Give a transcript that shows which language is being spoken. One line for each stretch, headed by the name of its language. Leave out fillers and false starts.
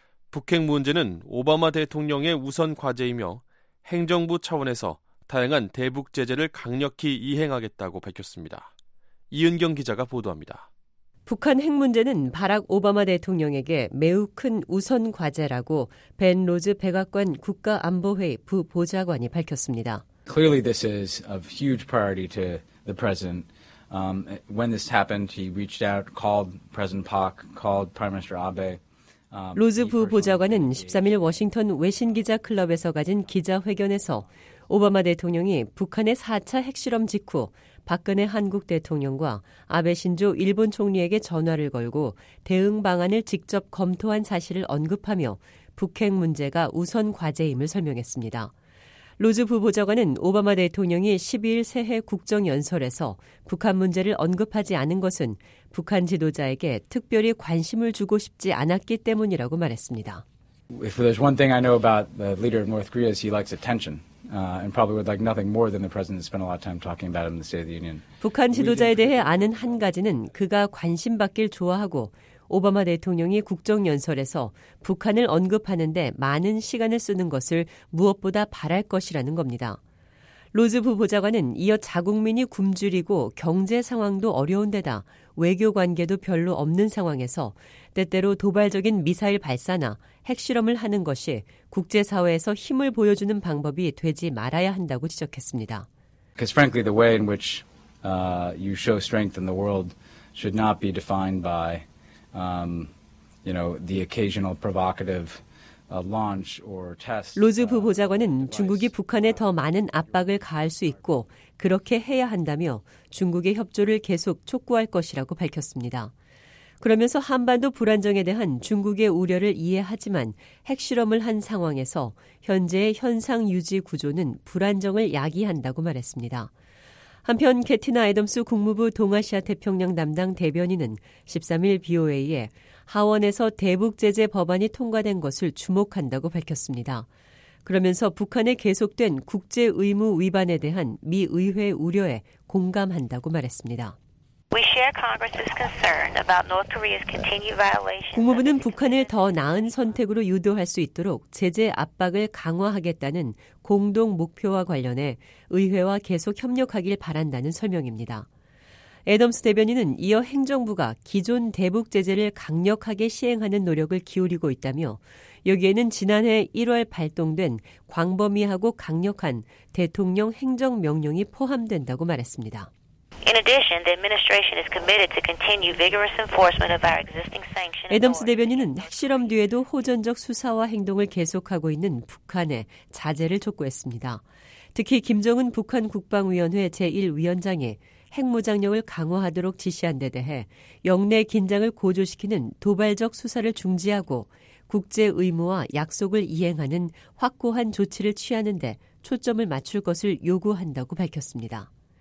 Korean: 북핵 문제는 오바마 대통령의 우선 과제이며 행정부 차원에서 다양한 대북 제재를 강력히 이행하겠다고 밝혔습니다. 이은경 기자가 보도합니다. 북한 핵 문제는 바락 오바마 대통령에게 매우 큰 우선 과제라고 벤 로즈 백악관 국가안보회의 부보좌관이 밝혔습니다.
English: Clearly this is a huge priority to the president. When this happened, he reached out, called President Park, called Prime Minister Abe.
Korean: 로즈 부보좌관은 13일 워싱턴 외신 기자 클럽에서 가진 기자회견에서 오바마 대통령이 북한의 4차 핵실험 직후 박근혜 한국 대통령과 아베 신조 일본 총리에게 전화를 걸고 대응 방안을 직접 검토한 사실을 언급하며 북핵 문제가 우선 과제임을 설명했습니다. 로즈 부보좌관은 오바마 대통령이 12일 새해 국정연설에서 북한 문제를 언급하지 않은 것은 북한 지도자에게 특별히 관심을 주고 싶지 않았기 때문이라고 말했습니다.
English: If there's one thing I know about the leader of North Korea is he likes attention. And probably would like nothing more than the president spent a lot of time talking about him in the State of the Union.
Korean: 북한 지도자에 대해 아는 한 가지는 그가 관심 받길 좋아하고 오바마 대통령이 국정연설에서 북한을 언급하는데 많은 시간을 쓰는 것을 무엇보다 바랄 것이라는 겁니다. 로즈 부보좌관은 이어 자국민이 굶주리고 경제 상황도 어려운 데다 외교 관계도 별로 없는 상황에서 때때로 도발적인 미사일 발사나 핵실험을 하는 것이 국제사회에서 힘을 보여주는 방법이 되지 말아야 한다고 지적했습니다.
English: Because frankly, the way in which you show strength in the world should not be defined by the occasional provocative launch or test.
Korean: 로즈 부보좌관은 중국이 북한에 더 많은 압박을 가할 수 있고 그렇게 해야 한다며 중국의 협조를 계속 촉구할 것이라고 밝혔습니다. 그러면서 한반도 불안정에 대한 중국의 우려를 이해하지만 핵실험을 한 상황에서 현재의 현상 유지 구조는 불안정을 야기한다고 말했습니다. 한편 캐티나 애덤스 국무부 동아시아 태평양 담당 대변인은 13일 BOA에 하원에서 대북 제재 법안이 통과된 것을 주목한다고 밝혔습니다. 그러면서 북한의 계속된 국제 의무 위반에 대한 미 의회 우려에 공감한다고 말했습니다.
English: We share Congress's concern about North Korea's continued violations.
Korean: 국무부는 북한을 더 나은 선택으로 유도할 수 있도록 제재 압박을 강화하겠다는 공동 목표와 관련해 의회와 계속 협력하길 바란다는 설명입니다. 애덤스 대변인은 이어 행정부가 기존 대북 제재를 강력하게 시행하는 노력을 기울이고 있다며 여기에는 지난해 1월 발동된 광범위하고 강력한 대통령 행정명령이 포함된다고 말했습니다.
English: In addition, the administration is committed to continue vigorous enforcement of our existing sanctions.
Korean: 애덤스 대변인은 핵실험 뒤에도 호전적 수사와 행동을 계속하고 있는 북한에 자제를 촉구했습니다. 특히 김정은 북한 국방위원회 제1위원장이 핵무장력을 강화하도록 지시한 데 대해 영내 긴장을 고조시키는 도발적 수사를 중지하고 국제 의무와 약속을 이행하는 확고한 조치를 취하는 데 초점을 맞출 것을 요구한다고 밝혔습니다.